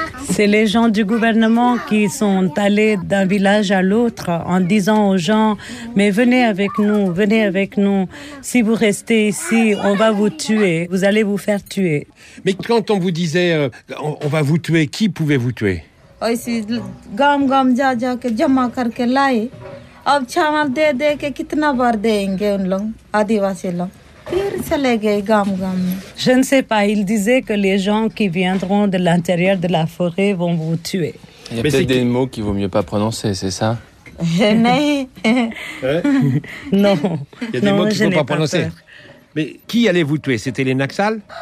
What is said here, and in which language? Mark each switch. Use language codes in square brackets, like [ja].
[fr] C'est les gens du gouvernement qui sont allés d'un village à l'autre en disant aux gens, mais venez avec nous, si vous restez ici, on va vous tuer, vous allez vous faire tuer. Mais quand on vous disait, on va vous tuer, qui pouvait vous tuer? [hi] ऐसे गम गम जा जा के जमा करके लाए अब चावल दे दे के कितना बार देंगे उन लोग आदिवासी लोग फिर चले गए गम गम [fr] Je ne sais pas, il disait que les gens qui viendront de l'intérieur de la forêt vont vous tuer. Il y a Mais peut-être des qui... mots qu'il vaut mieux pas prononcer, c'est ça Non. Il y a des mots qu'il ne faut pas prononcer. Peur. Mais qui allait vous tuer C'était les Naxals